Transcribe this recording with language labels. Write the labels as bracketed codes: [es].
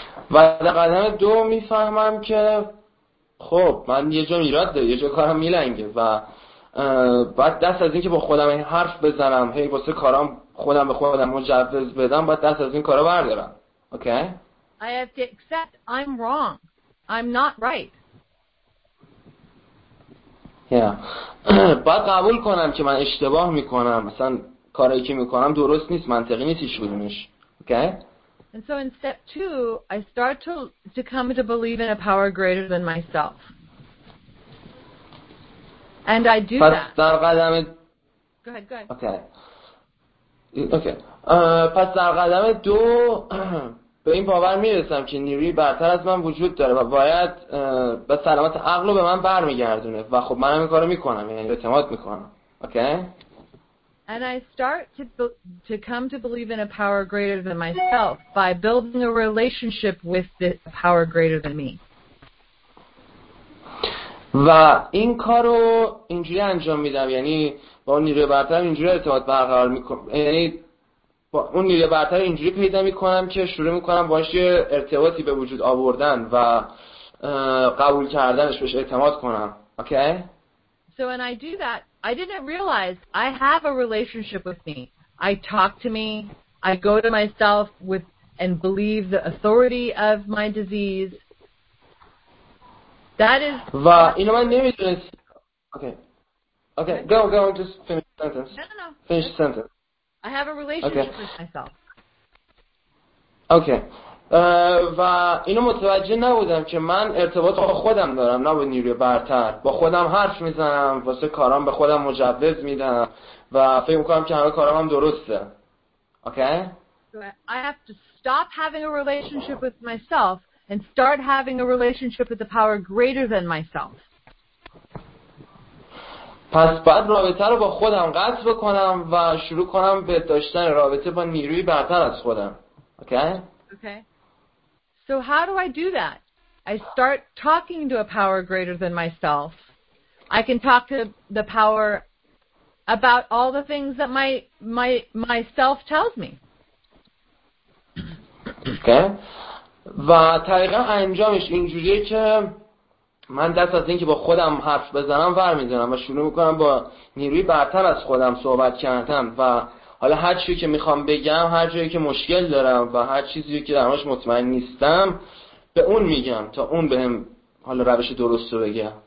[fa] و در قدم دو میفهمم که خب من یه جا میراد داره، یه جا کارم میلنگه و باید دست از این که با خودم حرف بزنم، هی واسه کارام خودم به خودم مجوز بدم، باید دست از این کارا بردارم. [en] Okay? I have to accept I'm wrong. I'm not right. Yeah. [fa] باید قبول کنم که من اشتباه میکنم، مثلا کارایی که میکنم درست نیست، منطقی نیست شدونش. [en] Okay? And so in step two, I start to come to believe in a power greater than myself. And I do that. [fa] در قدم... [en] Go ahead. Okay. [fa] پس در قدم دو به این باور میرسم که نیروی برتر از من وجود داره و باید به سلامت عقل رو به من برمیگردونه و خب منم این کارو میکنم، یعنی اعتماد میکنم. [en] Okay. And I start to come to believe in a power greater than myself by building a relationship with this power greater than me. [fa] و این کارو اینجوری انجام میدم، یعنی با اون نیروی برتر اینجوری ارتباط برقرار میکنم، یعنی با اون نیروی برتر اینجوری پیدا میکنم که شروع میکنم باهاش ارتباطی به وجود آوردن و قبول کردنش، بهش اعتماد کنم. [en] Okay. So when I do that, I didn't realize I have a relationship with me. I talk to me, I go to myself with and believe the authority of my disease. That is. [fa] و اینو من نمیدونست. [en] Okay. Go. Just finish the sentence. No. Finish the sentence. I have a relationship with myself. Okay. [fa] و اینو متوجه نبودم که من ارتباط با خودم دارم، نه با نیروی برتر. با خودم حرف میزنم، واسه کارام به خودم مجوز میدم و فکر میکنم که همه کارام هم درسته. [en] Okay. So I have to stop having a relationship with myself and start having a relationship with the power greater than myself. [fa] پس باید رابطه رو با خودم قطع بکنم و شروع کنم به داشتن رابطه با نیروی برتر از خودم. [en] Okay. So how do I do that? I start talking to a power greater than myself. I can talk to the power about all the things that myself tells me. Okay. [fa] و طریقا انجامش اینجوریه که من دست از اینکه با خودم حرف بزنم برمیدارم و شروع میکنم با نیروی برتر از خودم صحبت کردن و حالا هر چیزی که میخوام بگم، هر جایی که مشکل دارم و هر چیزی که درماش مطمئن نیستم به اون میگم تا اون بهم حالا روش درست رو بگه.